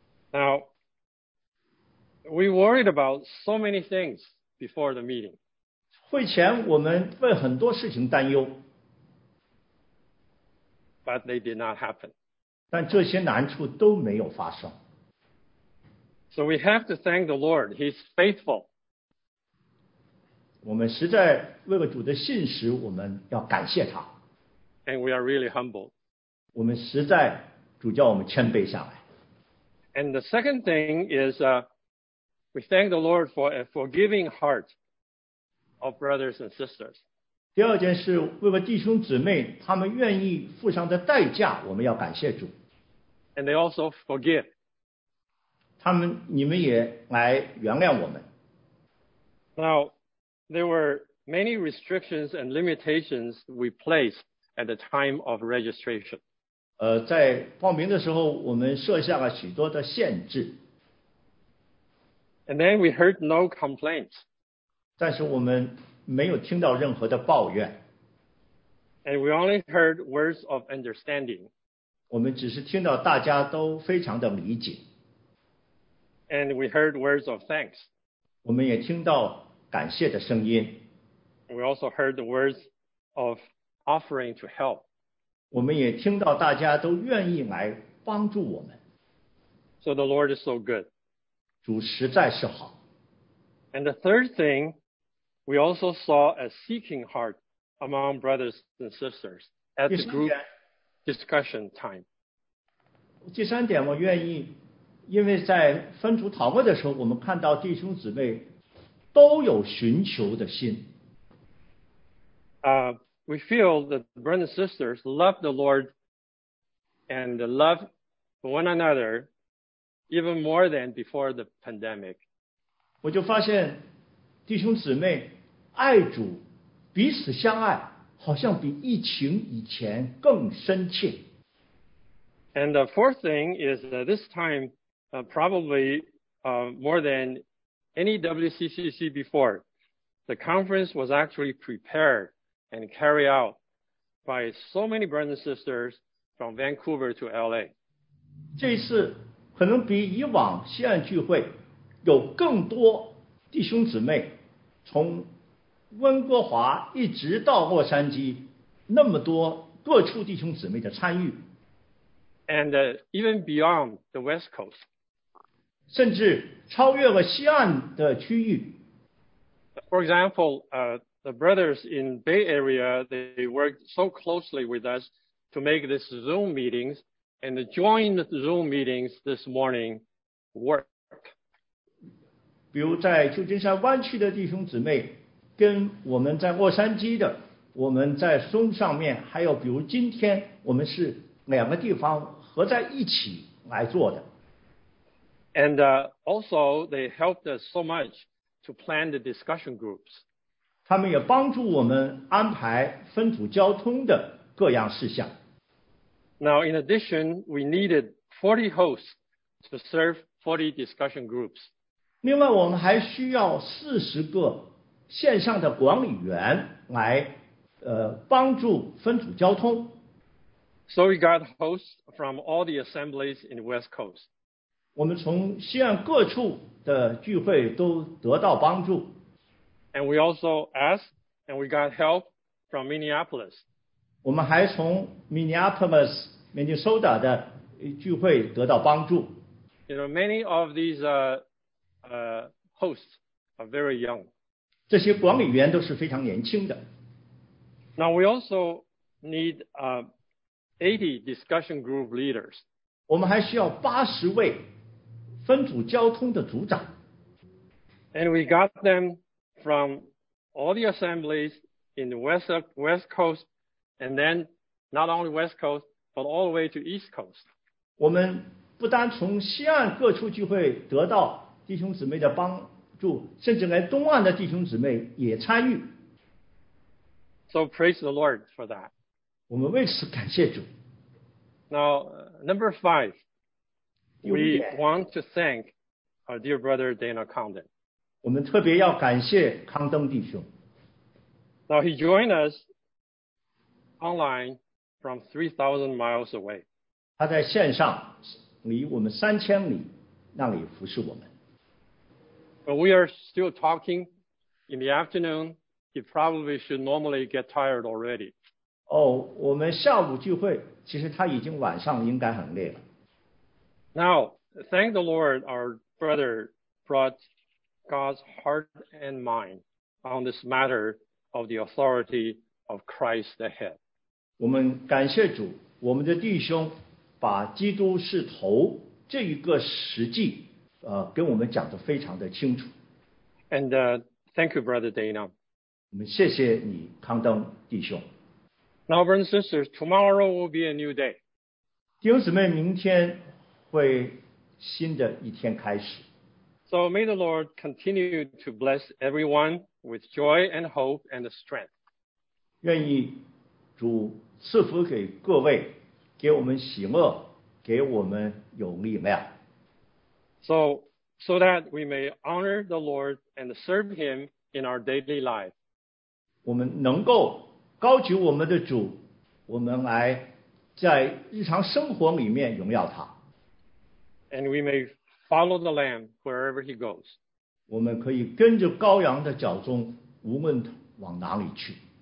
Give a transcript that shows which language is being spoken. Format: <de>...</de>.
<en>Now, we worried about so many things before the meeting.</en> <zh>会前我们为很多事情担忧。</zh> <en>But they did not happen.</en> <zh>但这些难处都没有发生。</zh> <en>So we have to thank the Lord. He's faithful.</en> <zh>我们实在为了主的信实，我们要感谢他。</zh> <en>And we are really humbled.</en> <zh>我们实在主叫我们谦卑下来。</zh> <en>And the second thing is, we thank the Lord for a forgiving heart of brothers and sisters.</en> <zh>第二件事，为了弟兄姊妹，他们愿意付上的代价，我们要感谢主。</zh> <en>And they also forgive.</en> <zh>他们，你们也来原谅我们。</zh> <en>Now, there were many restrictions and limitations we placed at the time of registration.</en> <zh>在报名的时候，我们设下了许多的限制。</zh> <en>And then we heard no complaints.</en> <zh>但是我们没有听到任何的抱怨。</zh> <en>And we only heard words of understanding.</en> <zh>我们只是听到大家都非常的理解。</zh> <en>And we heard words of thanks.</en> <zh>我们也听到感谢的声音。</zh> <en>We also heard the words of offering to help.</en> <zh>我们也听到大家都愿意来帮助我们。</zh> <en>So the Lord is so good.</en> <zh>主实在是好。</zh> <en>And the third thing, we also saw a seeking heart among brothers and sisters at the group discussion time.</en> <zh>第三点我愿意，因为在分组讨论的时候，我们看到弟兄姊妹都有寻求的心。</zh> <en>We feel that the brothers and sisters love the Lord and love one another even more than before the pandemic.</en> <zh>我就发现弟兄姊妹爱主，彼此相爱，好像比疫情以前更深切。</zh> <en>And the fourth thing is that this time, probably more than any WCCC before, the conference was actually prepared and carried out by so many brothers and sisters from Vancouver to LA.</en> <zh>这一次可能比以往西岸聚会有更多弟兄姊妹从温哥华一直到洛杉矶，那么多各处弟兄姊妹的参与。</zh> <en>And even beyond the West Coast.</en> <zh>甚至超越了西岸的区域。</zh> <en>For example, the brothers in Bay Area, they worked so closely with us to make this Zoom meetings and join the Zoom meetings this morning work.</en> <zh>比如在旧金山湾区的弟兄姊妹跟我们在洛杉矶的，我们在Zoom上面，还有比如今天我们是两个地方合在一起来做的。</zh> <en>And also they helped us so much to plan the discussion groups.</en> <zh>他们也帮助我们安排分组交通的各样事项。</zh> <en>Now in addition, we needed 40 hosts to serve 40 discussion groups.</en> <zh>另外我们还需要40个线上的管理员来帮助分组交通。</zh> <en>So we got hosts from all the assemblies in the West Coast.</en> <zh>我们从西岸各处的聚会都得到帮助。</zh> <en>And we also asked and we got help from Minneapolis.</en> <zh>我们还从 Minneapolis, Minnesota 的聚会得到帮助。</zh> <en>You know, many of these hosts are very young.</en> <zh>这些管理员都是非常年轻的。</zh> <en>Now we also need 80 discussion group leaders.</en> <zh>我们还需要80位分组交通的组长。</zh> <en>And we got them from all the assemblies in the West Coast, and then not only West Coast, but all the way to East Coast.</en> <zh>我们不单从西岸各处聚会得到弟兄姊妹的帮助，甚至连东岸的弟兄姊妹也参与。</zh> <en>So praise the Lord for that.</en> <zh>我们为此感谢主。</zh> <en>Now, number five, we want to thank our dear brother Dana Condon.</en> <zh>我们特别要感谢康登弟兄。</zh> <en>Now, he joined us online from 3,000 miles away.</en> <zh>他在线上离我们三千里那里服侍我们。</zh> <en>But we are still talking in the afternoon. He probably should normally get tired already.</en> <zh>我们下午聚会，其实他已经晚上应该很累了。</zh> <en>Now, thank the Lord, our brother brought God's heart and mind on this matter of the authority of Christ the head.</en> <zh>我们感谢主，我们的弟兄把基督是头这一个实际跟我们讲得非常的清楚。</zh> <en>And thank you, Brother Dana.</en> <zh>我们谢谢你，康登弟兄。</zh> <en>Now, brothers and sisters, tomorrow will be a new day.</en> <zh>弟兄姊妹，明天会新的一天开始。</zh> <en>So may the Lord continue to bless everyone with joy and hope and strength.</en> <zh>愿意主赐福给各位，给我们喜乐，给我们有力量。</zh> <en>So that we may honor the Lord and serve Him in our daily life.</en> <zh>我们能够高举我们的主，我们来在日常生活里面荣耀他。</zh> <en>And we may follow the Lamb wherever He goes.</en> <zh>我们可以跟着羔羊的脚踪，无论往哪里去。</zh>